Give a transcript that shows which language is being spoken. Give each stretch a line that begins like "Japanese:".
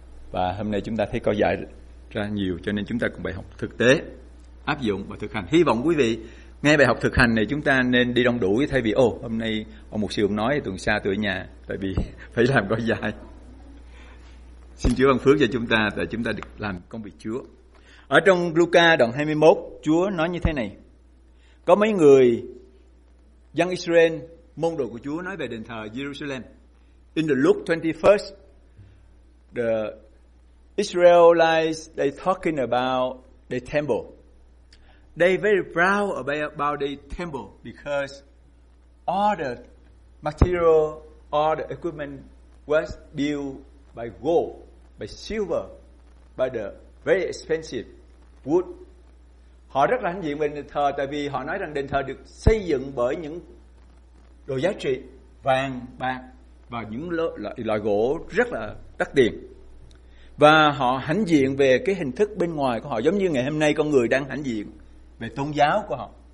Vietnamese: Và hôm nay chúng ta thấy cỏ dại ra nhiều, cho nên chúng ta cùng bài học thực tế áp dụng và thực hành. Hy vọng quý vị nghe bài học thực hành này, chúng ta nên đi đông đủ, thay vì hôm nay ông mục sư ông nói tuần xa tôi ở nhà tại vì phải làm cỏ dại. Xin Chúa ban phước cho chúng ta để chúng ta được làm công việc Chúa. Ở trong Luca đoạn 21, Chúa nói như thế này: có mấy người dân Israel, môn đồ của Chúa, nói về đền thờ Jerusalem.
English: In the Luke 21, the Israelites, they talking about the temple. They very proud about the temple because all the material, all the equipment was built by gold, by silver, by the very expensive wood.
Vietnamese: Họ rất là hãnh diện về đền thờ, tại vì họ nói rằng đền thờ được xây dựng bởi những đồ giá trị, vàng, bạc và những loại gỗ rất là đắt tiền. Và họ hãnh diện về cái hình thức bên ngoài của họ, giống như ngày hôm nay con người đang hãnh diện về tôn giáo của họ.